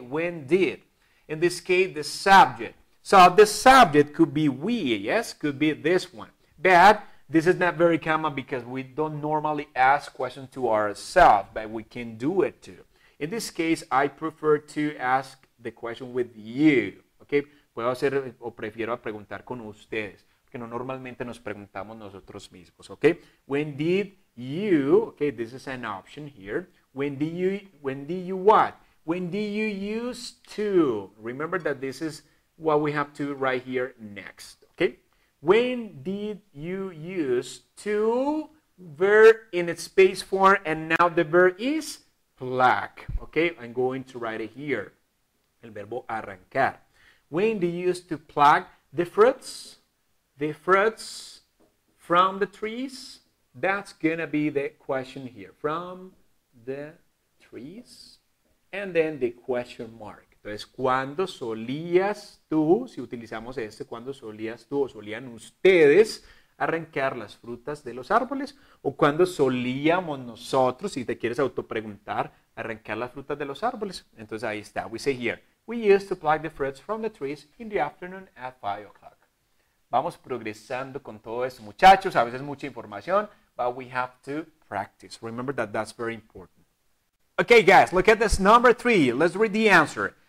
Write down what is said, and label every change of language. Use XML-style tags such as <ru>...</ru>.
<en>When did. In this case, the subject. So, the subject could be we, yes? Could be this one. But this is not very common because we don't normally ask questions to ourselves, but we can do it too. In this case, I prefer to ask the question with you, okay?</en> <es>Puedo hacer o prefiero preguntar con ustedes, porque no normalmente nos preguntamos nosotros mismos, okay?</es> <en>When did you, okay, this is an option here. When do you what? When do you use to? Remember that this is what we have to write here next, okay? When did you use to verb in its base form, and now the verb is pluck, okay? I'm going to write it here,</en> <es>el verbo arrancar.</es> <en>When do you use to pluck the fruits from the trees? That's going to be the question here, from the trees, and then the question mark.</en> <es>Entonces, ¿cuándo solías tú, si utilizamos este, cuándo solías tú o solían ustedes arrancar las frutas de los árboles? ¿O cuándo solíamos nosotros, si te quieres autopreguntar, arrancar las frutas de los árboles? Entonces, ahí está.</es> <en>We say here, we used to pluck the fruits from the trees in the afternoon at 5 o'clock.</en> <es>Vamos progresando con todo esto, muchachos. A veces mucha información,</es> <en>but we have to practice. Remember that that's very important. Okay, guys, look at this number three. Let's read the answer.</en>